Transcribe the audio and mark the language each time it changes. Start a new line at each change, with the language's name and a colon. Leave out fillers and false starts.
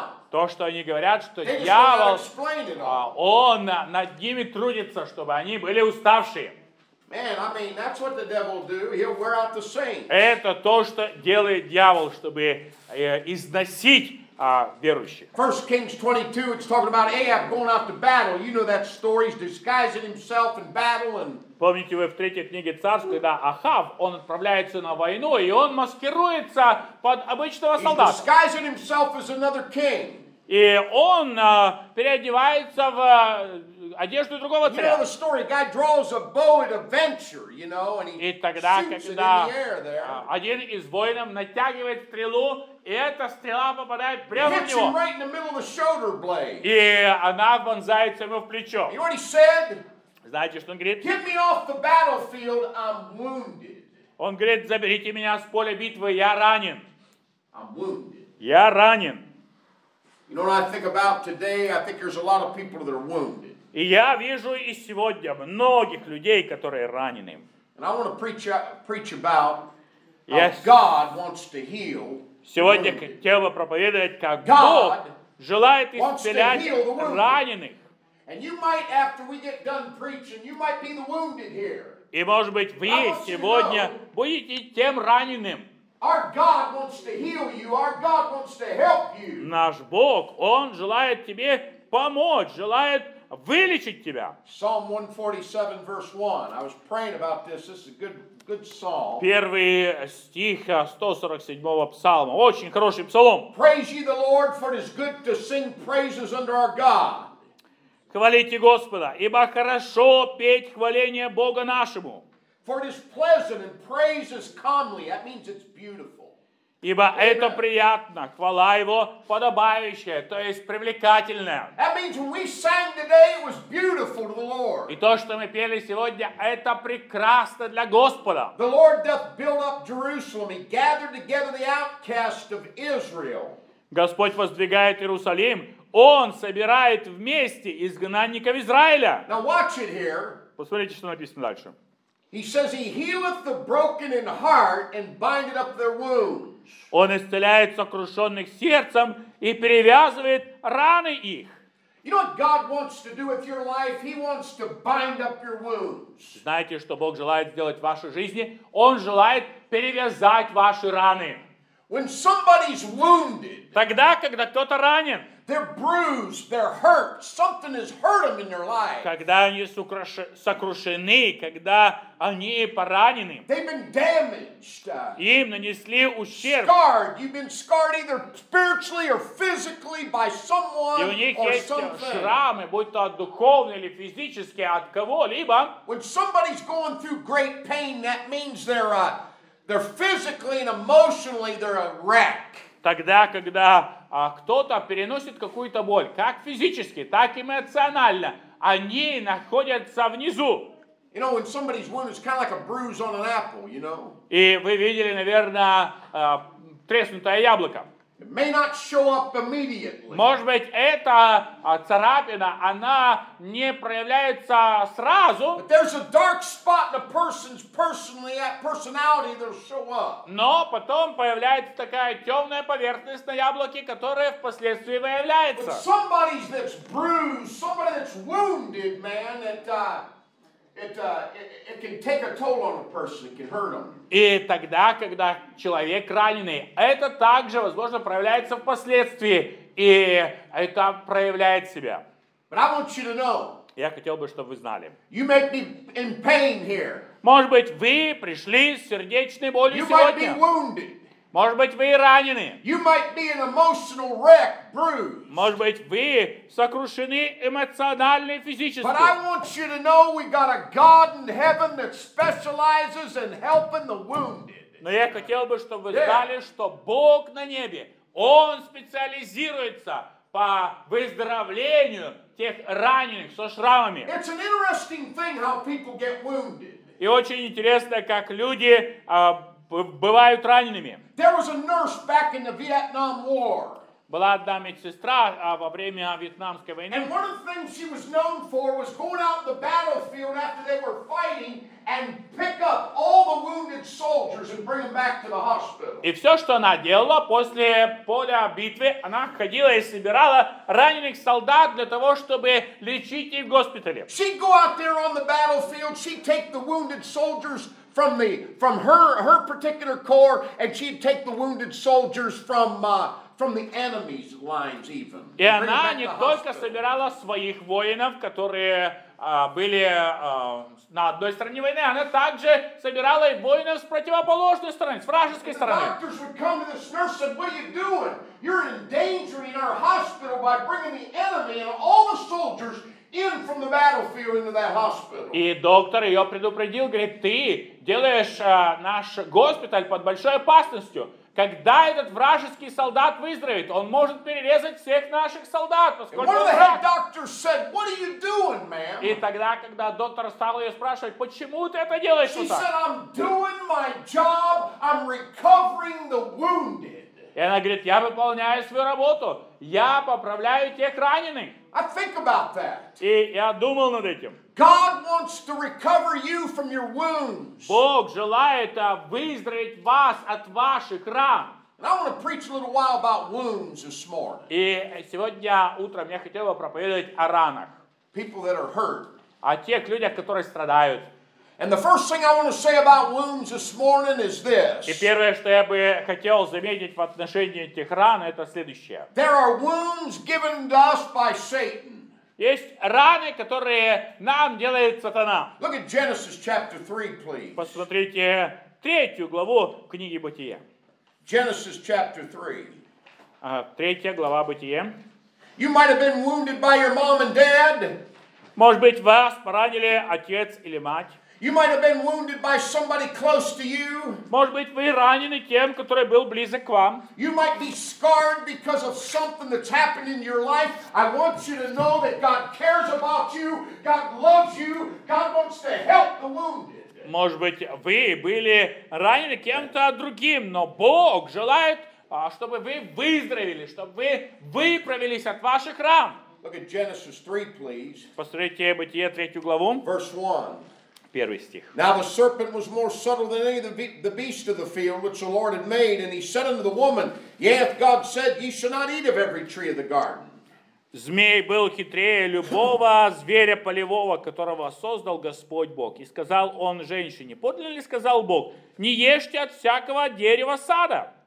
Russian: То, что они говорят, что дьявол, он над ними трудится, чтобы они были уставшие. Это то, что делает дьявол, чтобы износить верующих.
English: 1 Kings 22, it's talking about Ahab going out to battle. You know that story, he's disguising himself in battle. And
Russian: помните вы в третьей книге царств, когда Ахав, он отправляется на войну, и он маскируется под обычного солдата.
English: He's disguising himself as another king.
Russian: И он переодевается в одежду другого царя.
English: You know the story, guy draws a bow at a venture, you know, and he
Russian: тогда,
English: shoots
Russian: когда,
English: it in the air there.
Russian: Один из воинов натягивает стрелу, и эта стрела попадает прямо в него.
English: Right in the middle of the shoulder blade.
Russian: И она вонзается ему в плечо.
English: You know what he said?
Russian: Знаете, что он говорит?
English: Get me off the battlefield, I'm wounded.
Russian: Он говорит, заберите меня с поля битвы, я ранен.
English: I'm wounded.
Russian: Я ранен.
English: You know what I think about today? I think there's a lot of people that are wounded.
Russian: И я вижу и сегодня многих людей, которые ранены.
English: And I want to preach about how God wants to heal.
Russian: Сегодня хотел бы проповедовать, как Бог желает исцелять раненых.
English: And you might, after we get done preaching, you might be the wounded here.
Russian: И может быть вы сегодня будете тем раненым.
English: Our God wants to heal you. Our God wants to help you.
Russian: Наш Бог, Он желает тебе помочь, желает вылечить тебя.
English: Psalm 147, verse 1. I was praying about this. This is a good psalm.
Russian: Первый стих 147-го псалма. Очень хороший псалом.
English: Praise ye the Lord, for it is good to sing praises unto our God.
Russian: Хвалите Господа, ибо хорошо петь хваление Бога нашему.
English: For it is pleasant and praise is comely. That means it's beautiful.
Russian: Ибо это приятно, хвала его подобающая, то есть привлекательная.
English: That means when we sang today, it was beautiful to the Lord.
Russian: И то, что мы пели сегодня, это прекрасно для Господа.
English: The Lord doth build up Jerusalem. He gathered together the outcast of Israel.
Russian: Господь воздвигает Иерусалим. Он собирает вместе изгнанников Израиля.
English: Now watch it here.
Russian: Посмотрите, что написано дальше.
English: He says he healeth the broken in heart and bindeth up their wounds.
Russian: Он исцеляет сокрушенных сердцем и перевязывает раны их.
English: You know what God wants to do with your life? He wants to bind up your wounds.
Russian: Знаете, что Бог желает сделать в вашей жизни? Он желает перевязать ваши раны.
English: When somebody's wounded,
Russian: тогда, когда кто-то ранен,
English: They're bruised, they're hurt. Something has hurt them in their life.
Russian: Когда они сокрушены, когда они поранены.
English: They've been damaged.
Russian: Им нанесли ущерб.
English: Scarred. You've been scarred either spiritually or physically by someone or something.
Russian: И у них есть шрамы, будь то духовные или физические, от кого-либо.
English: When somebody's going through great pain, that means they're physically and emotionally they're a wreck.
Russian: Тогда, когда кто-то переносит какую-то боль, как физически, так и эмоционально, они находятся внизу.
English: You know, when somebody's wound is kind of like a bruise on an apple, you know?
Russian: И вы видели, наверное, треснутое яблоко.
English: It may not show up immediately.
Russian: Может быть, эта царапина, она не проявляется сразу.
English: But there's a dark spot in a person's personality that'll show up.
Russian: Но потом появляется такая темная поверхность на яблоке, которая впоследствии выявляется.
English: But somebody that's bruised, somebody that's wounded, man, it can take a toll on a person. It can hurt them.
Russian: И тогда, когда человек раненый, это также, возможно, проявляется впоследствии, и это проявляет себя.
English: But I want you to know.
Russian: Я хотел бы, чтобы вы знали.
English: You may be in pain here.
Russian: Может быть, вы пришли с сердечной болью
English: you
Russian: сегодня.
English: You might be wounded.
Russian: Может быть, вы ранены.
English: You might be an emotional wreck, bruised.
Russian: Может быть, вы сокрушены эмоционально и физически.
English: But I want you to know we got a God in heaven that specializes in helping the wounded.
Russian: Но я хотел бы, чтобы вы знали, что Бог на небе, Он специализируется по выздоровлению тех раненых со шрамами.
English: It's an interesting thing how people get wounded.
Russian: И очень интересно, как люди бывают ранеными.
English: There was a nurse back in the Vietnam War.
Russian: Была одна медсестра во время Вьетнамской войны.
English: And one of the things she was known for was going out on the battlefield after they were fighting and pick up all the wounded soldiers and bring them back to the hospital.
Russian: И все, что она делала после поля битвы, она ходила и собирала раненых солдат для того, чтобы лечить их в госпитале.
English: She'd go out there on the battlefield, she'd take the wounded soldiers from her particular corps, and she'd take the wounded soldiers from the enemy's lines even.
Russian: И она не только собирала своих воинов, которые были на одной стороне войны, она также собирала и воинов с противоположной стороны, с вражеской стороны.
English: The doctors would come to this nurse and say, "What are you doing? You're endangering our hospital by bringing the enemy and all the soldiers in from the battlefield into that hospital."
Russian: И доктор ее предупредил, говорит, ты делаешь наш госпиталь под большой опасностью. Когда этот вражеский солдат выздоровеет, он может перерезать всех наших солдат, поскольку он враг.
English: Said, "What are you doing, ma'am?"
Russian: И тогда, когда доктор стал ее спрашивать, почему ты это делаешь,
English: she said, "I'm doing my job. I'm recovering the wounded."
Russian: И она говорит, я выполняю свою работу, я поправляю тех раненых.
English: I think about that.
Russian: И я думал над этим.
English: God wants to recover you from your wounds.
Russian: Бог желает выздороветь вас от ваших ран.
English: And I want to preach a little while about wounds this morning.
Russian: И сегодня утром я хотел бы проповедовать о ранах.
English: People that are hurt.
Russian: О тех людях, которые страдают.
English: And the first thing I want to say about wounds this morning is this.
Russian: И первое, что я бы хотел заметить в отношении этих ран, это следующее.
English: There are wounds given to us by Satan.
Russian: Есть раны, которые нам делает сатана.
English: Look at Genesis chapter 3, please.
Russian: Посмотрите третью главу книги Бытия.
English: Genesis chapter 3.
Russian: Третья глава Бытия.
English: You might have been wounded by your mom and dad.
Russian: Может быть, вас поранили отец или мать.
English: You might have been wounded by somebody close to you.
Russian: Может быть, вы ранены тем, который был близок к вам.
English: You might be scarred because of something that's happened in your life. I want you to know that God cares about you. God loves you. God wants to help the wounded.
Russian: Может быть, вы были ранены кем-то другим, но Бог желает, чтобы вы выздоровели, чтобы вы выправились от ваших ран.
English: Look at Genesis 3, please.
Russian: Посмотрите Бытие 3 главу.
English: Verse 1.
Russian: Первый стих.
English: Now the serpent was more subtle than any of the beast of the field which the Lord had made, and he said unto the woman, Yea, hath God said, ye shall not eat of every tree of the garden.
Russian: Змей был хитрее любого зверя полевого, которого создал Господь Бог. И сказал он женщине, подлинно ли сказал Бог, не ешьте от всякого дерева сада.